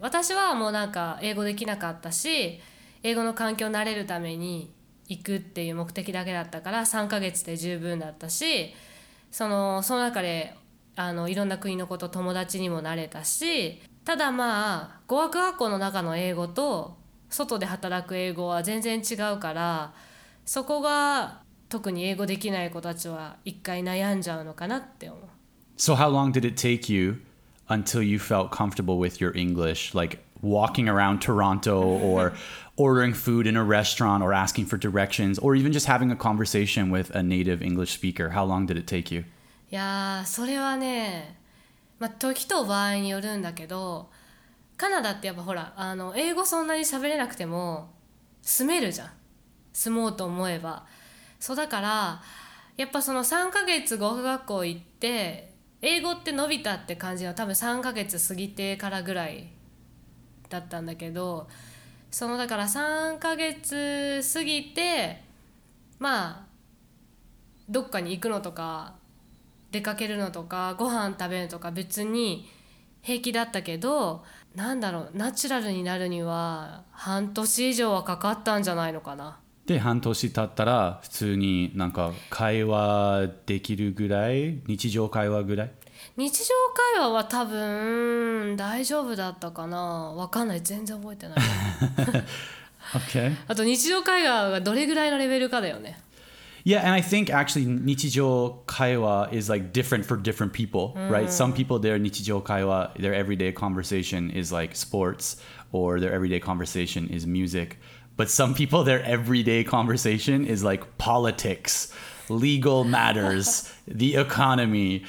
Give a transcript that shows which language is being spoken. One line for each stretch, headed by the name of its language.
Japanese: 私はもうなんか英語できなかったし、英語の環境に慣れるために、行くっていう目的だけだったから3ヶ月で十分だったしその中でいろんな国の子と友達にもなれたしただまあ語学学校の中の英語と外で働く英語は全然違うからそこが特に英語できない子たちは一回悩んじゃうのかなって思う
English: So how long did it take you until you felt comfortable with your English like walking around Toronto or ordering food in a restaurant or asking for directions or even just having a conversation with a native English speaker. How long did it take you?
Japanese: いやそれはね、まあ、時と場合によるんだけど、カナダってやっぱほら、英語そんなに喋れなくても住めるじゃん。住もうと思えば。そうだから、やっぱその3ヶ月語学学校行って、英語って伸びたって感じは多分3ヶ月過ぎてからぐらいだったんだけど、そのだから3ヶ月過ぎてまあどっかに行くのとか出かけるのとかご飯食べるとか別に平気だったけどなんだろうナチュラルになるには半年以上はかかったんじゃないのかなで半年経ったら普通になんか会話できるぐらい日常会話ぐらい日常会話は多分大丈夫だったかな分かんない全然覚えてない
English: okay.
Japanese: あと日常会話がどれぐらいのレベルかだよね
English: Yeah, and I think actually 日常会話 is like different for different people, right? Some people their 日常会話 their everyday conversation is like sports or their everyday conversation is music but some people their everyday conversation is like politics legal matters, the economy.